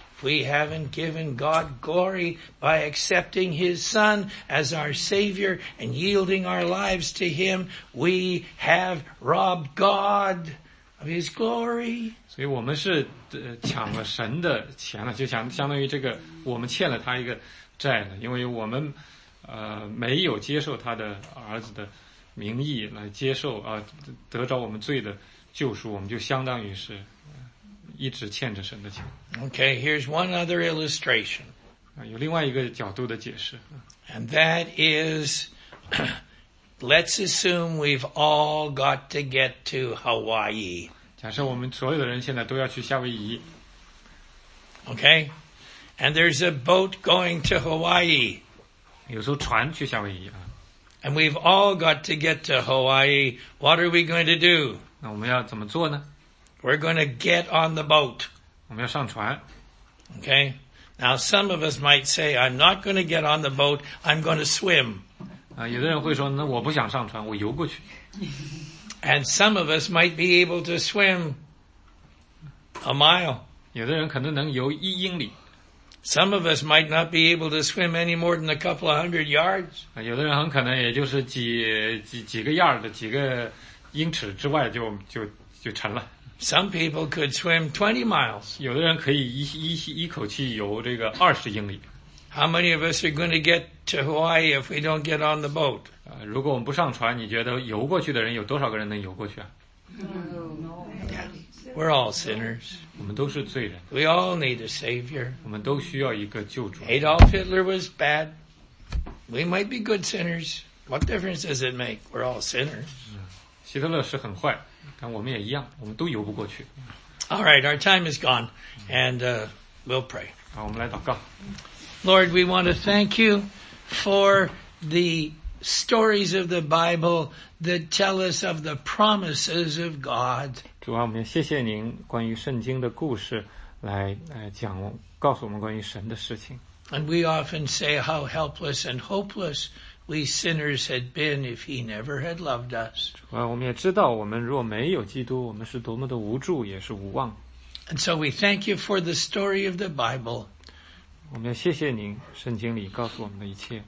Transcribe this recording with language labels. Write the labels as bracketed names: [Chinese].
[English] If we haven't given God glory by accepting His Son as our Savior and yielding our lives to Him, we have robbed God. Of his glory. [Chinese] 所以我们是抢了神的钱了，就相当于这个我们欠了他一个债了，因为我们没有接受他的儿子的名义来接受得着我们罪的救赎，我们就相当于是一直欠着神的钱。 [English] Okay, here's one other illustration. [Chinese] 有另外一个角度的解释。 [English] And that is, let's assume we've all got to get to Hawaii. [Chinese] 假设我们所有的人现在都要去夏威夷。 [English] Okay. And there's a boat going to Hawaii. [Chinese] 有艘船去夏威夷啊。 [English] And we've all got to get to Hawaii. What are we going to do? [Chinese] 那我们要怎么做呢？ [English] We're going to get on the boat. [Chinese] 我们要上船。 [English] Okay. Now some of us might say, I'm not going to get on the boat, I'm going to swim. [Chinese] 有的人会说，那我不想上船，我游过去。 [English] And some of us might be able to swim a mile. [Chinese] 有的人可能能游一英里。 [English] Some of us might not be able to swim any more than a couple of hundred yards. [Chinese] 有的人很可能也就是几个 yard 的几个英尺之外就沉了。 [English] Some people could swim 20 miles. [Chinese] 有的人可以一口气游这个20英里。 [English] How many of us are going to get to Hawaii if we don't get on the boat? [Chinese] 如果我们不上船，你觉得游过去的人有多少个人能游过去啊？ [English] Yeah. We're all sinners. [Chinese] 我们都是罪人。 [English] We all need a savior. [Chinese] 我们都需要一个救主。 [English] Adolf Hitler was bad. We might be good sinners. What difference does it make? We're all sinners. [Chinese] 希特勒是很坏，但我们也一样，我们都游不过去。 [English] All right, our time is gone, and we'll pray. [Chinese] 好，我们来祷告。 [English] Lord, we want to thank you for the stories of the Bible that tell us of the promises of God. [Chinese] 主啊，我们谢谢您关于圣经的故事来讲，告诉我们关于神的事情。 [English] And we often say how helpless and hopeless we sinners had been if he never had loved us. [Chinese] 主啊，我们也知道我们若没有基督，我们是多么的无助，也是无望。 [English] And so we thank you for the story of the Bible. [Chinese] 我们要谢谢您，圣经里告诉我们的一切。